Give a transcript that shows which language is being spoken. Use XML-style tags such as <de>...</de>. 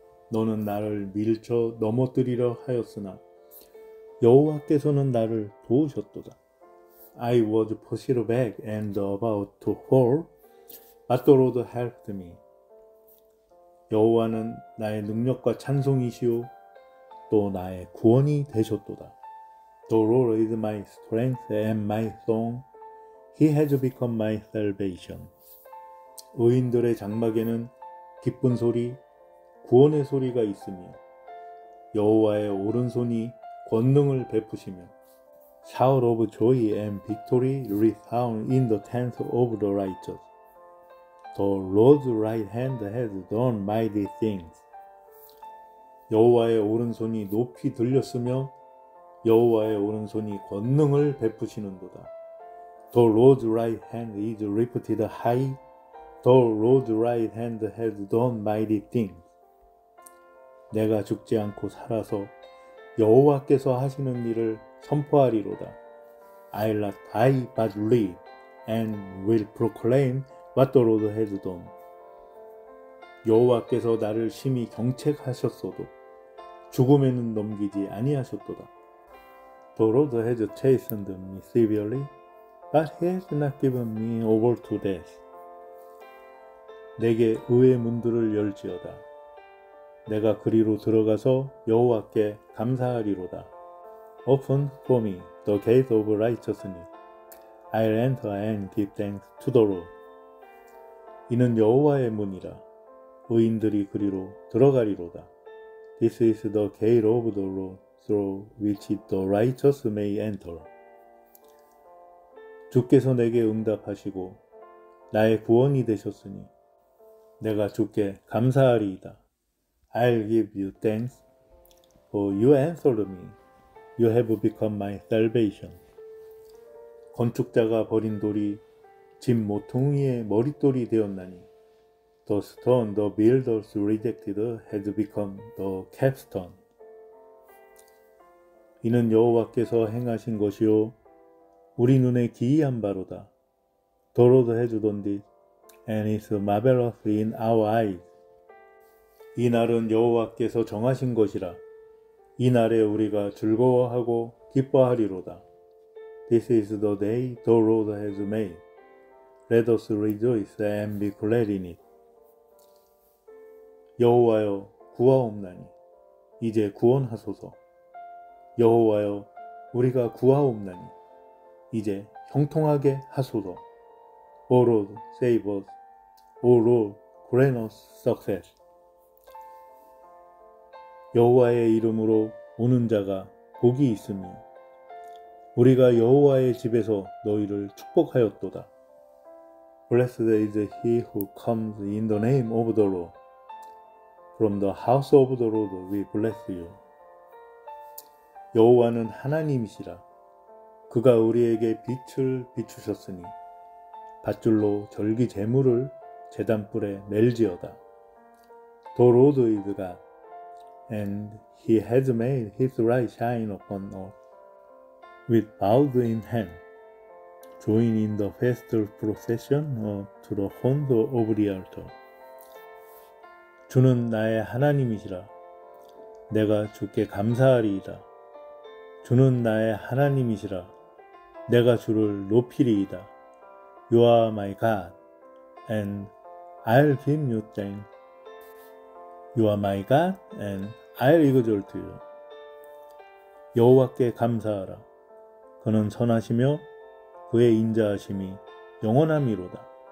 <ko>너는 나를 밀쳐 넘어뜨리려 하였으나 여호와께서는 나를 도우셨도다.</ko> <en>I was pushed back and about to fall, but the Lord helped me.</en> <ko>여호와는 나의 능력과 찬송이시오 또 나의 구원이 되셨도다.</ko> <en>The Lord is my strength and my song. He has become my salvation.</en> <ko>의인들의 장막에는 기쁜 소리, 구원의 소리가 있으며 여호와의 오른손이 권능을 베푸시며</ko> <en>Shout of joy and victory resound in the tents of the righteous. The Lord's right hand has done mighty things.</en> <ko>여호와의 오른손이 높이 들렸으며 여호와의 오른손이 권능을 베푸시는도다.</ko> <en>The Lord's right hand is lifted high. The Lord's right hand has done mighty things.</en> <ko>내가 죽지 않고 살아서 여호와께서 하시는 일을 선포하리로다.</ko> <en>I'll not die but live and will proclaim what the Lord has done.</en> <ko>여호와께서 나를 심히 경책하셨어도 죽음에는 넘기지 아니하셨도다.</ko> <en>The Lord has chastened me severely, but he has not given me over to death.</en> <ko>내게 의의 문들을 열지어다. 내가 그리로 들어가서 여호와께 감사하리로다.</ko> <en>Open for me the gate of righteousness. I'll enter and give thanks to the Lord.</en> <ko>이는 여호와의 문이라. 의인들이 그리로 들어가리로다.</ko> <en>This is the gate of the Lord through which the righteous may enter.</en> <ko>주께서 내게 응답하시고 나의 구원이 되셨으니 내가 주께 감사하리이다.</ko> <en>I'll give you thanks, for you answered me. You have become my salvation.</en> <ko>건축자가 버린 돌이 집 모퉁이 위에 머릿돌이 되었나니</ko> <en>The stone the builders rejected has become the capstone.</en> <ko>이는 여호와께서 행하신 것이요 우리 눈에 기이한 바로다.</ko> <en>The Lord has done this, and is marvelous in our eyes.</en> <ko>이 날은 여호와께서 정하신 것이라 이 날에 우리가 즐거워하고 기뻐하리로다.</ko> <en>This is the day the Lord has made. Let us rejoice and be glad in it.</en> <ko>여호와여 구하옵나니 이제 구원하소서. 여호와여 우리가 구하옵나니 이제 형통하게 하소서.</ko> <en>O Lord, save us. O Lord, grant us success.</en> <ko>여호와의 이름으로 오는 자가 복이 있으며 우리가 여호와의 집에서 너희를 축복하였도다.</ko> <en>Blessed is he who comes in the name of the Lord. From the house of the Lord we bless you.</en> <ko>여호와는 하나님이시라. 그가 우리에게 빛을 비추셨으니 밧줄로 절기 재물을 제단불에 멜지어다.</ko> <en>The Lord is God, and he has made his light shine upon us. With bows in hand, join in the festal procession to the horns of the altar.</en> <ko>주는 나의 하나님이시라. 내가 주께 감사하리이다. 주는 나의 하나님이시라. 내가 주를 높이리이다.</ko> <en>You are my God, and I'll give you thanks. You are my God, and I'll exalt you.</en> <ko>여호와께 감사하라. 그는 선하시며 그의 인자하심이 영원함이로다.</ko>